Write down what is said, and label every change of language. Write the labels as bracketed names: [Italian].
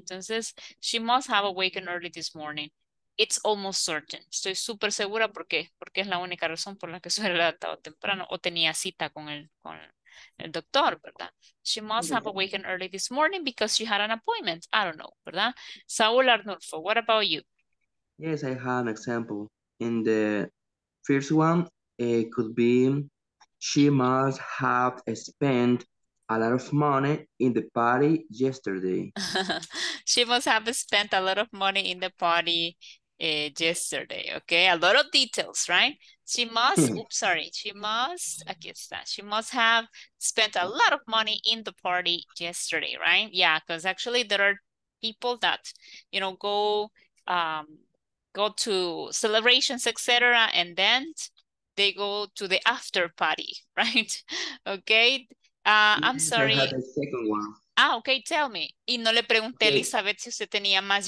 [Spanish] Entonces, [English] she must have awakened early this morning. It's almost certain. [Spanish] Estoy súper segura porque es la única razón por la que se hubiera levantado temprano o tenía cita con el doctor, ¿verdad? [English] She must have awakened early this morning because she had an appointment. I don't know, [Spanish] ¿verdad? [English] Saúl Arnulfo, what about you? Yes, I have an example. In the first one, it could be she must have spent a lot of money in the party yesterday. She must have spent a lot of money in the party yesterday. Okay, a lot of details, right? She must, oops, sorry, she must, I guess that, she must have spent a lot of money in the party yesterday, right? Yeah, because actually there are people that, you know, go to celebrations, etc., and then they go to the after party, right? Okay. I'm sorry. Ah, okay, tell me. [Spanish] Y no le pregunté a Elizabeth si usted tenía más.